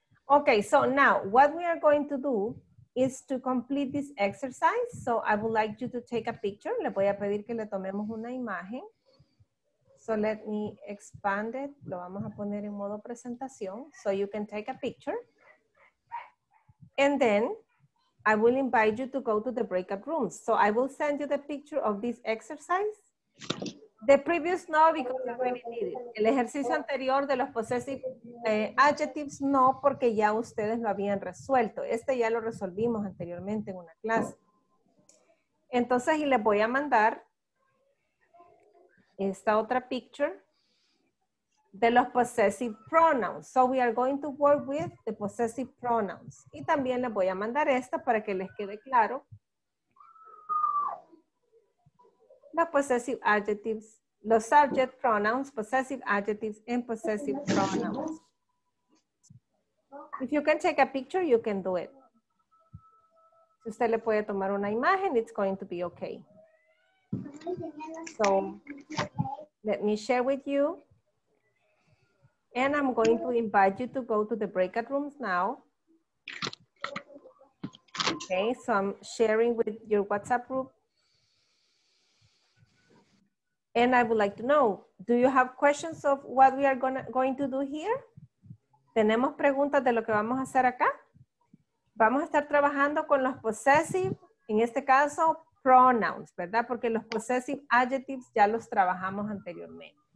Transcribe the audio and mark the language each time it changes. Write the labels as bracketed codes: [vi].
[en] Okay, so now what we are going to do is to complete this exercise. So I would like you to take a picture. [es] Le voy a pedir que le tomemos una imagen. [en] So let me expand it. [es] Lo vamos a poner en modo presentación. [en] So you can take a picture. And then I will invite you to go to the breakout rooms. So I will send you the picture of this exercise. The previous no, because you really need it. [es] El ejercicio anterior de los possessive adjectives no, porque ya ustedes lo habían resuelto. Este ya lo resolvimos anteriormente en una clase. Entonces, y les voy a mandar esta otra picture de los possessive pronouns. [en] So we are going to work with the possessive pronouns. [es] Y también les voy a mandar esta para que les quede claro. Los possessive adjectives, los subject pronouns, possessive adjectives, and possessive pronouns. [en] If you can take a picture, you can do it. [es] Si usted le puede tomar una imagen, [en] it's going to be okay. So, let me share with you And I'm going to invite you to go to the breakout rooms now. Okay, so I'm sharing with your WhatsApp group. And I would like to know, do you have questions of what we are going to do here? [es] ¿Tenemos preguntas de lo que vamos a hacer acá? Vamos a estar trabajando con los possessive, en este caso, pronouns, ¿verdad? Porque los possessive adjectives ya los trabajamos anteriormente.